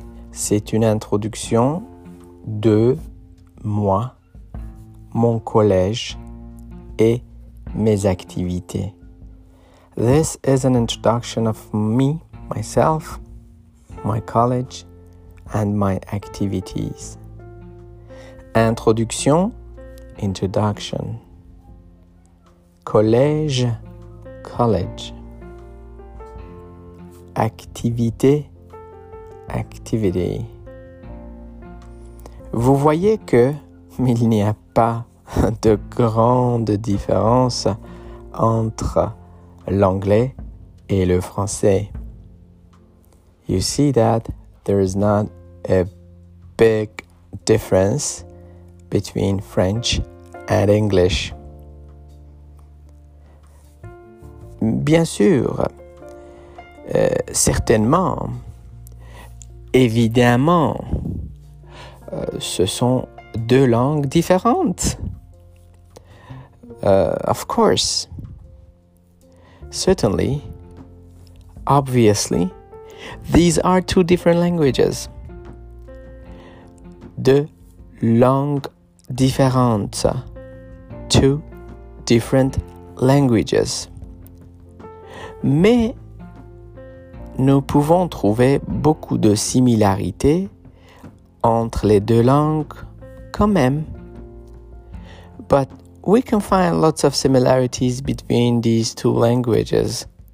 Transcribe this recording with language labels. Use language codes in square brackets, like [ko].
[fr] C'est une introduction de moi, mon collège et mes activités. [en] This is an introduction of me, myself, my college and my activities. [fr] Introduction, introduction. Collège, college. Activité, activity. Vous voyez que il n'y a pas de grande différence entre l'anglais et le français. [en] You see that there is not a big difference between French and English. [fr] Bien sûr, certainement, évidemment, ce sont deux langues différentes. [en] Of course, certainly, obviously, these are two different languages. [fr] Deux langues différentes. [en] Two different languages. [fr] Mais nous pouvons trouver beaucoup de similarités entre les deux langues quand même. [en] But we can find lots of similarities between these two languages.